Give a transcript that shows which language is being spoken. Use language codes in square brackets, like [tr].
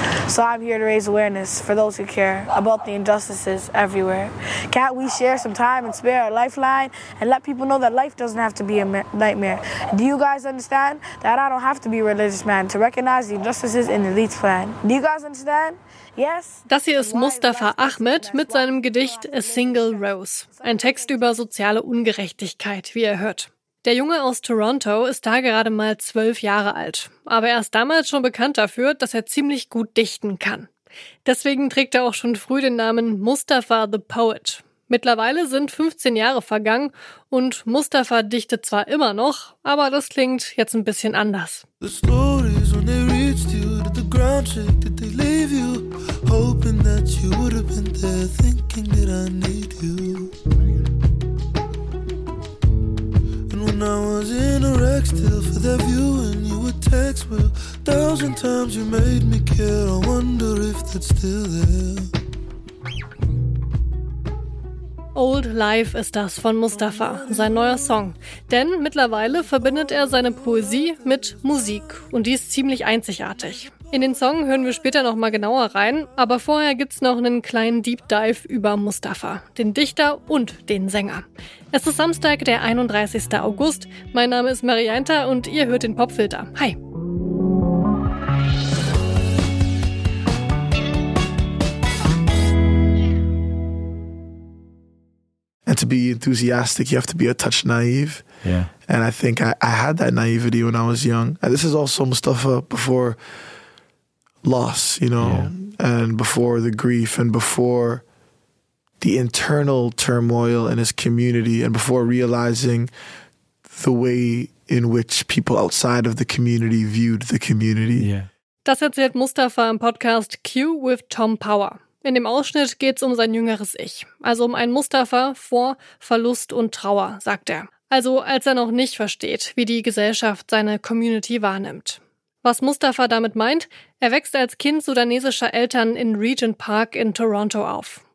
[en] So I'm here to raise awareness for those who care about the injustices everywhere. Can't we share some time and spare our lifeline and let people know that life doesn't have to be a nightmare? Do you guys understand that I don't have to be a religious man to recognize the injustices in the elite plan? Do you guys understand? Yes? [de] Das hier ist Mustafa Ahmed mit seinem Gedicht A Single Rose. Ein Text über soziale Ungerechtigkeit, wie ihr hört. Der Junge aus Toronto ist da gerade mal 12 Jahre alt, aber er ist damals schon bekannt dafür, dass er ziemlich gut dichten kann. Deswegen trägt er auch schon früh den Namen Mustafa the Poet. Mittlerweile sind 15 Jahre vergangen und Mustafa dichtet zwar immer noch, aber das klingt jetzt ein bisschen anders. [en] The stories when they reached you, did the ground shake, did they leave you, hoping that you would have been there, thinking that I need you. When I was in a wreck still for that view and you would text, well, a thousand times you made me care, I wonder if that's still there. [de] Old Life ist das von Mustafa, sein neuer Song. Denn mittlerweile verbindet er seine Poesie mit Musik und die ist ziemlich einzigartig. In den Song hören wir später nochmal genauer rein, aber vorher gibt's noch einen kleinen Deep Dive über Mustafa, den Dichter und den Sänger. Es ist Samstag, der 31. August. Mein Name ist Marianta und ihr hört den Popfilter. Hi! [en] And to be enthusiastic, you have to be a touch naive. Yeah. And I think I had that naivety when I was young. And this is also Mustafa before loss, you know, yeah. And before the grief and before the internal turmoil in his community and before realizing the way in which people outside of the community viewed the community. Yeah. [de] Das erzählt Mustafa im Podcast Q with Tom Power. In dem Ausschnitt geht es um sein jüngeres Ich, also um einen Mustafa vor Verlust und Trauer, sagt er. Also als er noch nicht versteht, wie die Gesellschaft seine Community wahrnimmt. Was Mustafa damit meint, er wächst als Kind sudanesischer Eltern in Regent Park in Toronto auf.